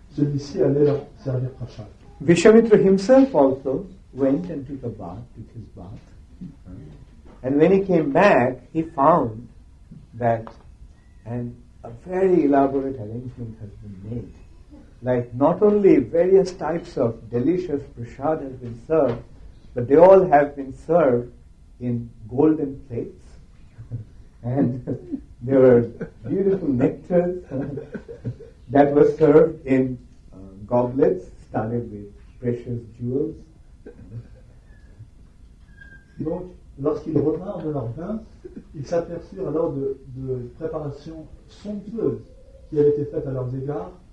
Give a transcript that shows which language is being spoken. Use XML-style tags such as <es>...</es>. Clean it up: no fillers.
<fr>Celui-ci allait leur servir prasad.</fr> <en>Vishwamitra himself also went and took a bath, took his bath. And when he came back, he found that a very elaborate arrangement has been made. Like, not only various types of delicious prasad has been served, but they all have been served in golden plates. And there were beautiful nectars that were served in goblets studded with precious jewels.</en> <fr>Donc, lorsqu'ils revinrent de leur bain, ils s'aperçurent alors de préparations somptueuses qui avaient été faites à leurs égards.</fr>